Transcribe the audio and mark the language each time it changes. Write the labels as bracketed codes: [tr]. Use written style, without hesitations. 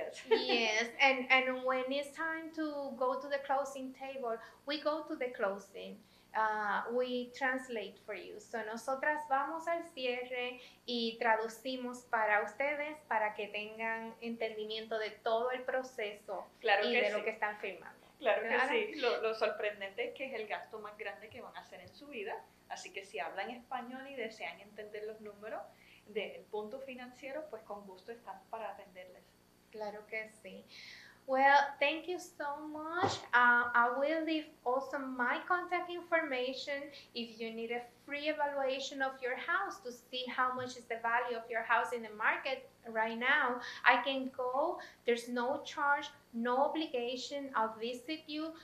[en] Yes, and when it's time to go to the closing table, we go to the closing. We translate for you. [es] So nosotras vamos al cierre y traducimos para ustedes para que tengan entendimiento de todo el proceso lo que están firmando. Lo sorprendente es que es el gasto más grande que van a hacer en su vida. Así que si hablan español y desean entender los números del punto financiero, pues con gusto estamos para atenderles. Claro que sí. [en] Well, thank you so much. I will leave also my contact information if you need a free evaluation of your house to see how much is the value of your house in the market right now. I can go. There's no charge, no obligation. I'll visit you.